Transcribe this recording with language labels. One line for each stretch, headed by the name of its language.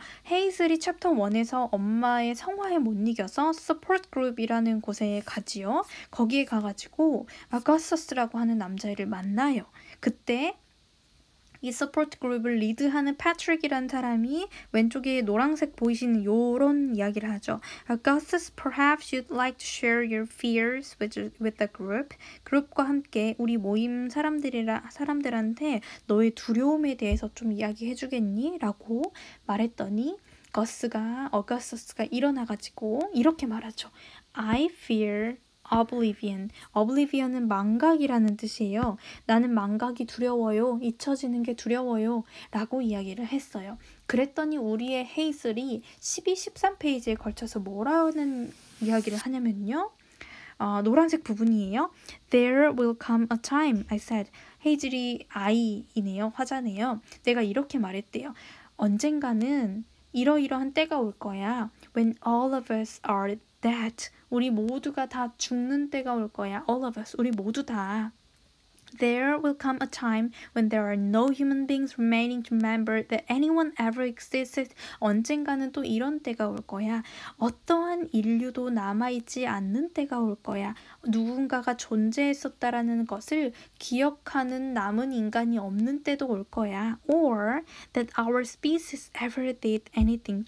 Korean: 헤이슬이 챕터 1에서 엄마의 성화에 못 이겨서 서포트 그룹이라는 곳에 가지요. 거기에 가가지고 아가서스라고 하는 남자애를 만나요. 그때 이 서포트 그룹을 리드하는 패트릭이라는 사람이 왼쪽에 노란색 보이시는 요런 이야기를 하죠.
English: Augustus, perhaps you'd like to share your fears with the group.
Korean: 그룹과 함께 우리 모임 사람들한테 너의 두려움에 대해서 좀 이야기해 주겠니? 라고 말했더니 Augustus가 일어나가지고 이렇게 말하죠.
English: I fear Oblivion.
Korean: Oblivion은 망각이라는 뜻이에요. 나는 망각이 두려워요. 잊혀지는 게 두려워요. 라고 이야기를 했어요. 그랬더니 우리의 헤이슬이 12, 13페이지에 걸쳐서 뭐라는 이야기를 하냐면요. 노란색 부분이에요.
English: There will come a time, I said.
Korean: 헤이슬이 아이이네요. 화자네요. 내가 이렇게 말했대요. 언젠가는 이러이러한 때가 올 거야.
English: When all of us are dead.
Korean: 우리 모두가 다 죽는 때가 올 거야.
English: All of us.
Korean: 우리 모두 다.
English: There will come a time when there are no human beings remaining to remember that anyone ever existed.
Korean: 언젠가는 또 이런 때가 올 거야. 어떠한 인류도 남아있지 않는 때가 올 거야. 누군가가 존재했었다라는 것을 기억하는 남은 인간이 없는 때도 올 거야.
English: Or that our species ever did anything.